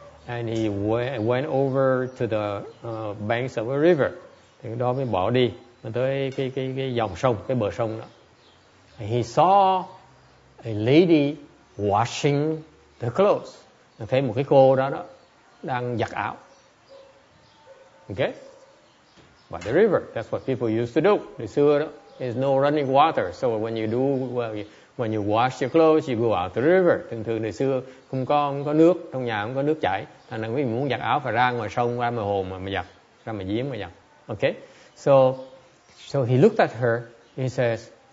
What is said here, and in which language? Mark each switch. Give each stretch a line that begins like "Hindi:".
English: And he went over to the banks of a river.
Vietnamese: Thì đó mới bỏ đi, mới tới cái dòng sông, cái bờ sông đó.
English: And he saw a lady washing the clothes.
Vietnamese: Mình thấy một cái cô đó đang giặt áo.
English: Okay? By the river, that's what people used to do.
Vietnamese: Ngày xưa đó,
English: there's no running water. So when you wash your clothes, you go out to the river.
Vietnamese: Thường thường ngày xưa không có nước, trong nhà không có nước chảy. Thành ra quý vị muốn giặt áo phải ra ngoài sông, ra ngoài hồ mà giặt, ra mà giếng mà giặt.
English: Okay? So he looked at her. He says,